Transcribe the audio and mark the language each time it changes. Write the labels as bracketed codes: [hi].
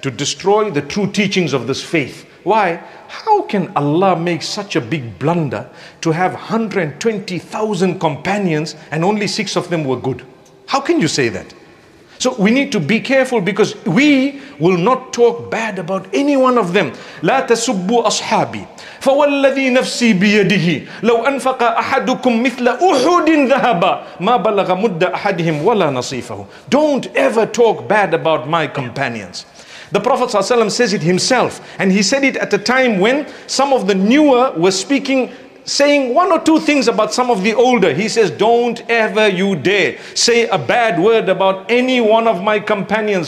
[en] To destroy the true teachings of this faith. Why? How can Allah make such a big blunder to have 120,000 companions and only six of them were good? How can you say that? So we need to be careful, because we will not talk bad about any one of them. [ar] لا تسبوا أصحابي فوالذي نفسي بيده لو أنفق أحدكم مثل أحد ذهبا ما بلغ مد أحدهم ولا نصيفه. [en] Don't ever talk bad about my companions. The Prophet ﷺ says it himself, and he said it at a time when some of the newer were speaking, saying one or two things about some of the older. He says, don't ever you dare say a bad word about any one of my companions.